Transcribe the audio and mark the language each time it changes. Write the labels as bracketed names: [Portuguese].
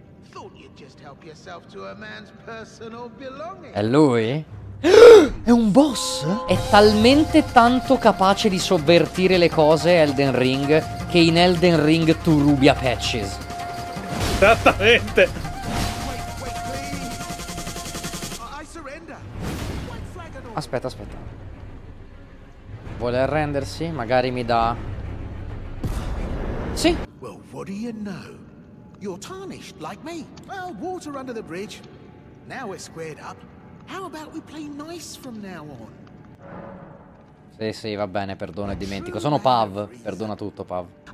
[English] Thought you'd just help yourself to a man's personal belongings. [Italian] È lui? È un boss? È talmente tanto capace di sovvertire le cose Elden Ring che in Elden Ring tu rubi a patches. Esattamente. Aspetta, aspetta. Vuole arrendersi? Magari mi dà... Sì. [English] Well, what do you know? You're tarnished like me. Well, water under the bridge. Now we're squared up. How about we play nice from now on? [Italian] Sì, sì, va bene, perdono e dimentico. Sono Pav. Perdona tutto, Pav.